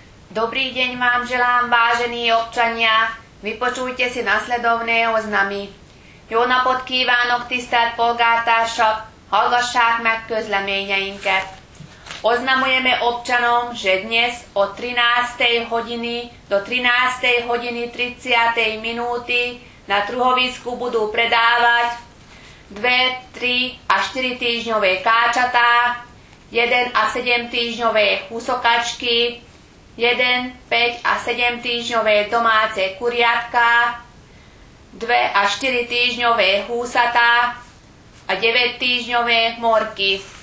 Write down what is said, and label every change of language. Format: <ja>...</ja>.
<sk>Dobrý deň vám želám, vážení občania. Vypočujte si nasledovné oznamy.</sk> <hu>Jó napot kívánok, tisztelt polgártársak! Hallgassák meg közleményeinket!</hu> <sk>Oznamujeme občanom, že dnes od 13. hodiny do 13. hodiny 30. minúty na truhovisku budú predávať 2, 3 a 4 týždňové káčatá, 1 a 7 týždňové husokačky, 1, 5 a 7 týždňové domáce kuriatka, 2 a 4 týždňové húsatá a 9 týždňové morky.</sk>